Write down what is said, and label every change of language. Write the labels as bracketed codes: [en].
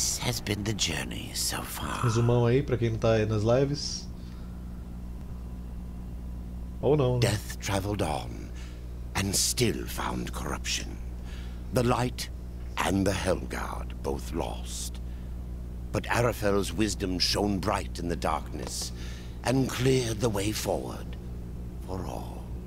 [en] has been the journey so far? [pt] Resumão aí pra quem não tá aí nas lives. Ou não. [en] Death traveled on and still found corruption. The light and the Helmguard both lost. But Arafel's wisdom shone bright in the darkness and cleared the way forward for all.